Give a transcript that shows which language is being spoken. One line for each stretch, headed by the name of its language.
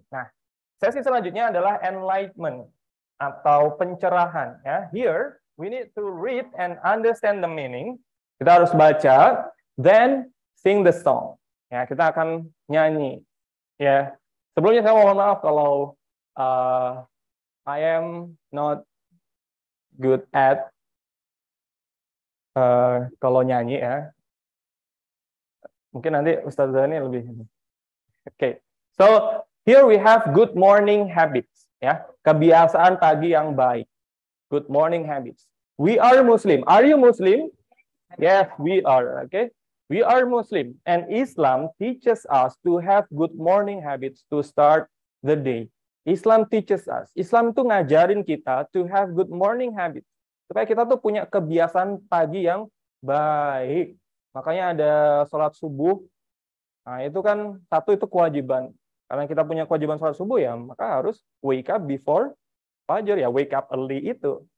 Indonesian: Nah, sesi selanjutnya adalah enlightenment atau pencerahan.
English: Ya, here we need to read and understand the meaning.
Indonesian: Kita harus baca,
English: then sing the song.
Indonesian: Ya, kita akan nyanyi. Ya, sebelumnya saya mohon maaf kalau
English: I am not good at
Indonesian: kalau nyanyi ya. Mungkin nanti Ustaz Zani lebih.
English: Okay. So, here we have good morning habits.
Indonesian: Ya, kebiasaan pagi yang baik.
English: Good morning habits. We are Muslim. Are you Muslim? Yes, we are. Okay. We are Muslim. And Islam teaches us to have good morning habits to start the day. Islam teaches us.
Indonesian: Islam tuh ngajarin kita
English: to have good morning habits.
Indonesian: Supaya kita tuh punya kebiasaan pagi yang baik. Makanya ada sholat subuh. Nah, itu kan satu itu kewajiban. Karena kita punya kewajiban sholat subuh ya, maka harus
English: wake up before fajar.
Indonesian: Ya,
English: wake up early
Indonesian: itu.